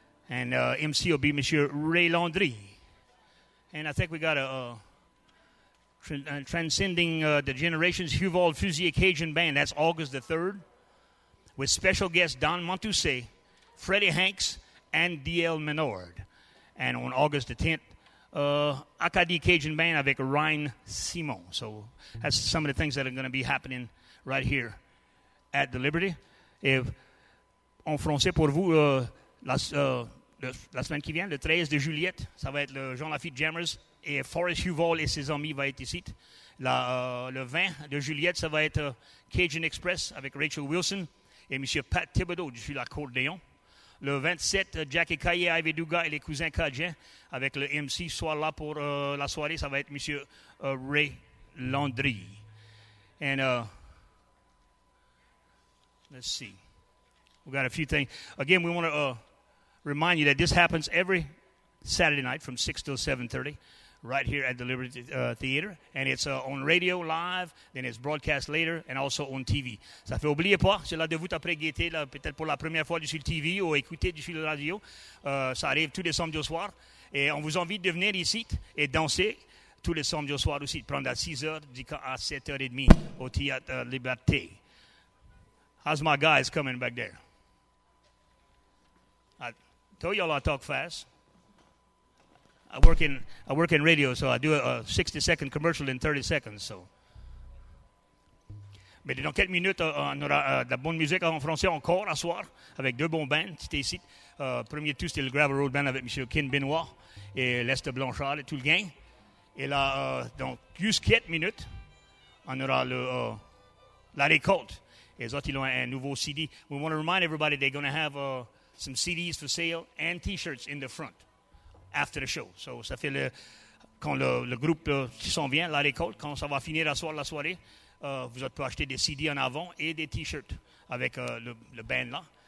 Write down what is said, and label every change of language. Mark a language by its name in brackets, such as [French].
[English] And MC will be Monsieur Ray Landry. And I think we got Transcending the Generations Huval Fusier Cajun Band. That's August the 3rd. With special guest Don Montousse, Freddie Hanks and D.L. Menard. And on August the 10th, Acadie Cajun Band avec Ryan Simon. So that's some of the things that are going to be happening right here at the Liberty. [French] If en français pour vous, la semaine qui vient, le 13 de juillet, ça va être le Jean Lafitte Jammers et Forrest Huval et ses amis va être ici. Le 20 de juillet, ça va être Cajun Express avec Rachel Wilson et M. Pat Thibodeau du sud de l'accordéon. Le 27, Jackie Caillé, Ivy Duga et les cousins Cajun avec le MC soir là pour la soirée, ça va être M. [English] Ray Landry. And let's see. We got a few things. Again, we want to remind you that this happens every Saturday night from 6 till 7:30 right here at the Liberty Theater. And it's on radio live, then it's broadcast later, and also on TV. [French] Ça fait oublier pas, c'est là de vous t'apprêter peut-être pour la première fois sur le TV ou écouter sur la radio. Ça arrive tous les samedis au soir. Et on vous invite de venir ici et danser tous les samedis au soir aussi. Prendre à 6h jusqu'à 7h30 au Théâtre Liberté. [English] How's my guys coming back there? I told y'all I talk fast. I work in radio, so I do a 60-second commercial in 30 seconds. [French] So, mais dans quelques minutes, on aura de la bonne musique en français encore à soir avec deux bons bands. C'était ici. Premier tout, c'était le Gravel Road Band avec M. Ken Benoit et Lester Blanchard et tout le gang. Et là, dans juste quelques minutes, on aura la récolte. Ils ont un nouveau CD. [English] We want to remind everybody they're going to have some CDs for sale and T-shirts in the front after the show. [French] So ça fait quand le groupe qui s'en vient, la récolte, quand ça va finir la soirée, vous pouvez acheter des CDs en avant et des T-shirts avec le band là.